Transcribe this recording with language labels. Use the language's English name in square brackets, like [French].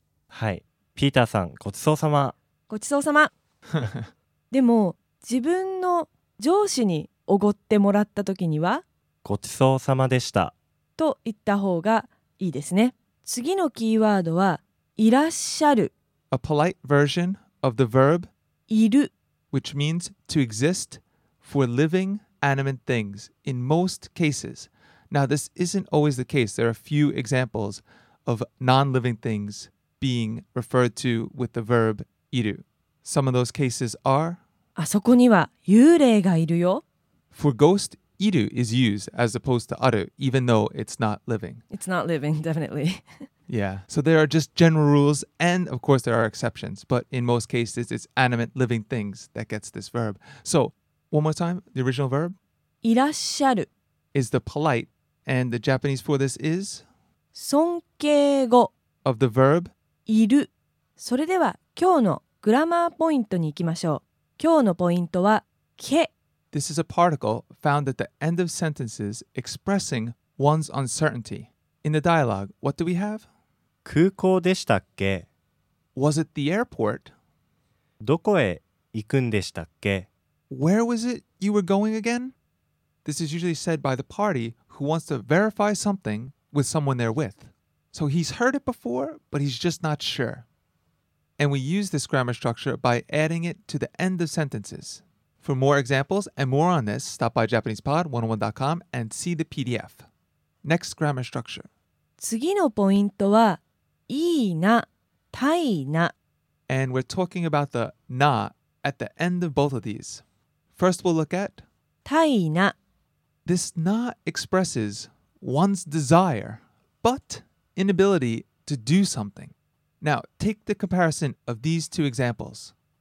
[Japanese] はい、ピーターさん、ごちそうさま。ごちそうさまでも自分の上司におごってもらった時にはごちそうさまでしたと言った方がいいですね。次のキーワードはいらっしゃる。 [English] A polite version of the verb [Japanese] いる、 [English] which means to exist for living animate things in most cases. Now, this isn't always the case. There are a few examples of non-living things being referred to with the verb iru. Some of those cases are [Japanese] あそこには幽霊がいるよ。 [English] For ghost, iru is used as opposed to aru, even though it's not living. It's not living, definitely. Yeah, so there are just general rules, and of course there are exceptions, but in most cases it's animate living things that gets this verb. So, one more time, the original verb? [Japanese] いらっしゃる [English] is the polite, and the Japanese for this is? [Japanese] 尊敬語 [English] of the verb? [Japanese] いる。それでは今日のグラマーポイントに行きましょう。今日のポイントはけ。 [English] This is a particle found at the end of sentences expressing one's uncertainty. In the dialogue, what do we have? [Japanese] 空港でしたっけ? [English] Was it the airport? どこへ行くんでしたっけ? Where was it you were going again? This is usually said by the party who wants to verify something with someone they're with. So he's heard it before, but he's just not sure. And we use this grammar structure by adding it to the end of sentences. For more examples and more on this, stop by JapanesePod101.com and see the PDF. Next grammar structure. [Japanese] 次のポイントはいいな、たいな。 [English] And we're talking about the na at the end of both of these. First we'll look at [Japanese] たいな。 [English] This na expresses one's desire but inability to do something. Now take the comparison of these two examples.